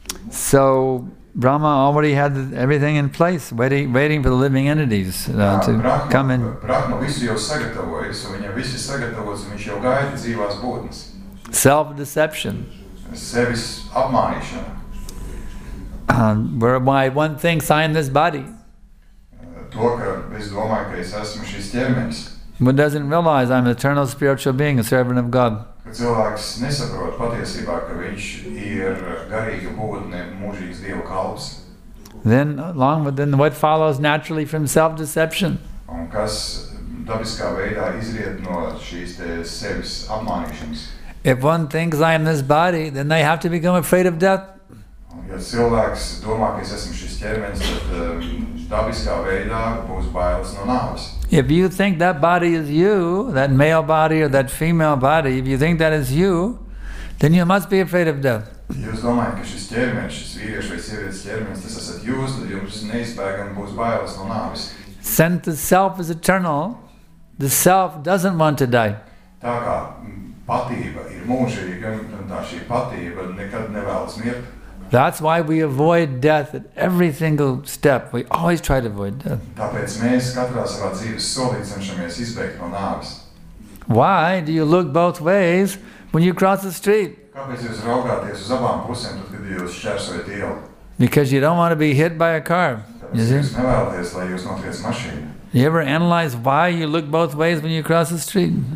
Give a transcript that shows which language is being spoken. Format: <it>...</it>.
<en>So Brahma already had everything in place, waiting for the living entities to Brahma, come in.</en> <lv>Brahma visu jau sagatavojas, un viņa visi sagatavojas, un viņš jau gaida dzīvās būtnes.</lv> <en>Self-deception.</en> <lv>Sevis apmānīšana.</lv> <en>Whereby one thinks I am this body.</en> <lv>To, ka es domāju, ka es esmu šis ķermenis.</lv> <en>One doesn't realize I'm an eternal spiritual being, a servant of God.</en> <lv>Cilvēks nesaprot patiesībā, ka viņš ir garīga būtne, mūžīgs Dieva kalps.</lv> <en>Then, along with then, what follows naturally from self-deception?</en> <lv>Un kas dabiskā veidā izriet no šīs te sevis apmānīšanas?</lv> <en>If one thinks I am this body, then they have to become afraid of death.</en> <lv>Ja cilvēks domā, ka es esmu šis ķermenis, tad dabiskā veidā būs bailes no nāves.</lv> <en>If you think that body is you, that male body or that female body, if you think that is you, then you must be afraid of death.</en> <lv>Jūs domājat, ka šis ķermenis, šis vīriešu vai sievietes ķermenis, tas esat jūs, tad jums neizbēgami būs bailes no nāves.</lv> <en>Since the self is eternal, the self doesn't want to die.</en> <lv>Tā kā patība ir mūžīga, un tā šī patība nekad nevēlas mirt.</lv> <en>That's why we avoid death at every single step. We always try to avoid death.</en> <lv>Tāpēc mēs katrā savā dzīves solī cenšamies izbēgt no nāves.</lv> <en>Why do you look both ways when you cross the street?</en> <lv>Kāpēc jūs raugāties uz abām pusēm, tad, kad jūs šķērsojat ielu?</lv> <en>Because you don't want to be hit by a car.</en> <lv>Tāpēc jūs nevēlaties, lai jūs notriec mašīnu.</lv> <en>You ever analyze why you look both ways when you cross the street?</en>